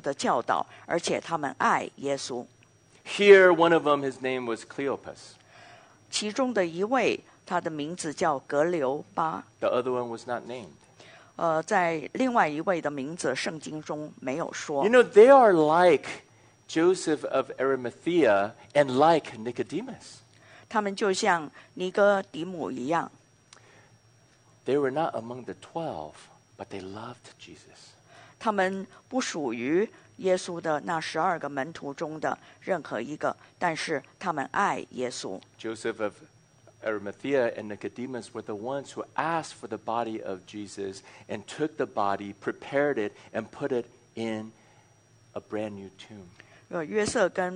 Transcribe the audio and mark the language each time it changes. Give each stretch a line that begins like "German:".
Chinese: 他们不仅是跟随耶稣，听从耶稣的教导，而且他们爱耶稣。
English: Here, one of them, his name was Cleopas.
Chinese: 其中的一位，他的名字叫格留巴。
English: The other one was not named.
Chinese: 在另外一位的名字，圣经中没有说。
English: You know, they are like Joseph of Arimathea, and like Nicodemus. They were not among the 12, but they loved Jesus.
Chinese: 他们不属于耶稣的那十二个门徒中的任何一个，但是他们爱耶稣。
English: Joseph of Arimathea and Nicodemus were the ones who asked for the body of Jesus and took the body, prepared it, and put it in a brand new tomb.